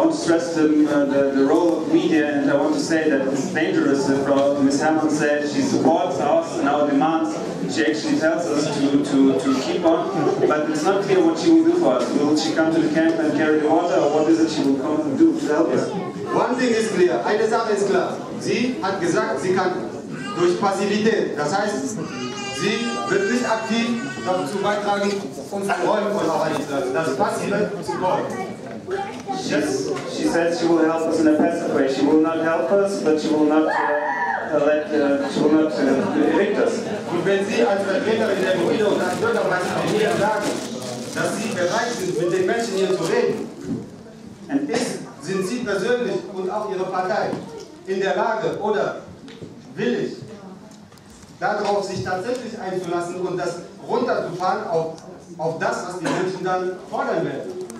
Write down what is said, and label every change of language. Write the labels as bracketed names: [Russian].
[English] The role of media, and I want to say that it's dangerous if Ms. Herrmann said she supports us and our demands, she actually tells us to keep on, but it's not clear what she will do for us. Will she come to the camp and carry the water, or what is it she will come and do to help us? One thing is clear, [German] eine Sache ist klar. Sie hat gesagt, sie kann durch Passivität, das heißt, sie wird nicht aktiv dazu beitragen, uns zu räumen oder einzuladen. Das Passive zu räumen. [English] She says she will help us in a passive way. She will not help us, but she will not evict us. [German] Und wenn Sie als Vertreterin der Gruppe und als Bürgermeisterin hier sagen, dass Sie bereit sind, mit den Menschen hier zu reden, and sind Sie persönlich und auch Ihre Partei in der Lage oder willig, darauf sich tatsächlich einzulassen und das runterzufahren auf das, was die Menschen dann fordern werden?